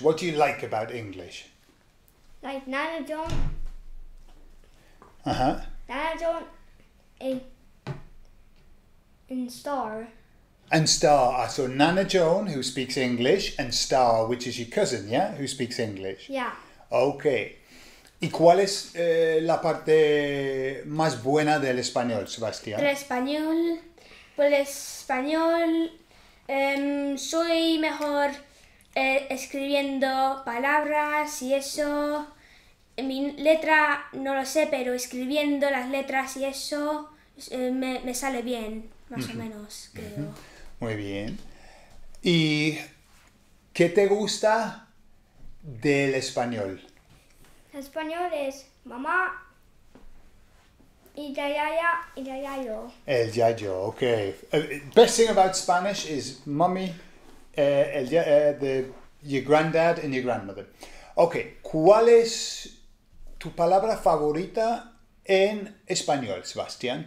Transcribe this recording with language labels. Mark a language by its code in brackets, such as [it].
[en] What do you like about English? Like Nana John. Uh-huh. Nana John. And Star. And Star. So Nana Joan, who speaks English, and Star, which is your cousin, yeah? Who speaks English. Yeah. Okay. [es] ¿Y cuál es la parte más buena del español, Sebastián? El español. Pues el español. Soy mejor escribiendo palabras y eso. Mi letra no lo sé, pero escribiendo las letras y eso me sale bien. Más o menos, creo. Muy bien. ¿Y qué te gusta del español? El español es mamá y ya yo. El ya yo, ok. [en] Best thing about Spanish is mommy, your granddad and your grandmother. [es] Ok, ¿cuál es tu palabra favorita en español, Sebastián?